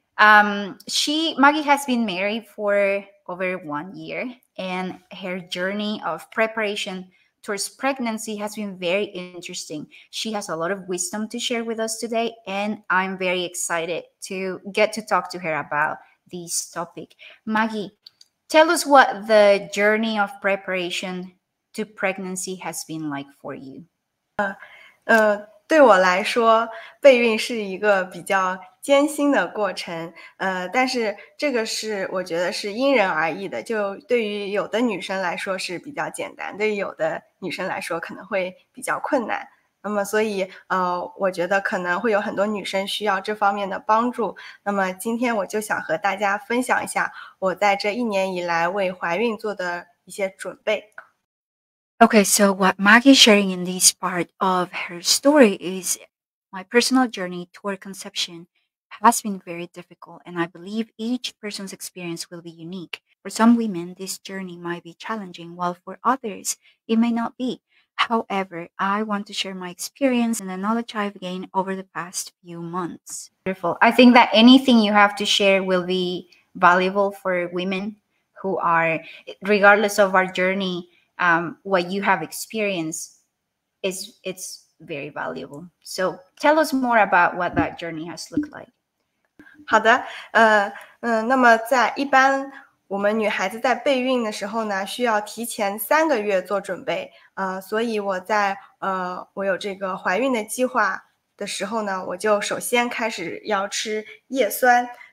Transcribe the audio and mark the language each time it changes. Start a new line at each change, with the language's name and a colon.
English: Maggie has been married for over 1 year, and her journey of preparation towards pregnancy has been very interesting. She has a lot of wisdom to share with us today, and I'm very excited to get to talk to her about this topic. Maggie, tell us what the journey of preparation to pregnancy has been like for you.
Chinese: 对我来说，备孕是一个比较艰辛的过程，但是这个是我觉得是因人而异的，就对于有的女生来说是比较简单，对于有的女生来说可能会比较困难。那么所以我觉得可能会有很多女生需要这方面的帮助。那么今天我就想和大家分享一下我在这一年以来为怀孕做的一些准备。
English: Okay, so what Maggie is sharing in this part of her story is my personal journey toward conception has been very difficult, and I believe each person's experience will be unique. For some women, this journey might be challenging, while for others, it may not be. However, I want to share my experience and the knowledge I've gained over the past few months. Beautiful. I think that anything you have to share will be valuable for women who are, regardless of our journey, what you have experienced it's very valuable. So tell us more about what that journey has looked like.
Chinese: 好的，那么在一般我们女孩子在备孕的时候呢，需要提前3个月做准备。所以我在我有这个怀孕的计划的时候呢，我就首先开始要吃叶酸。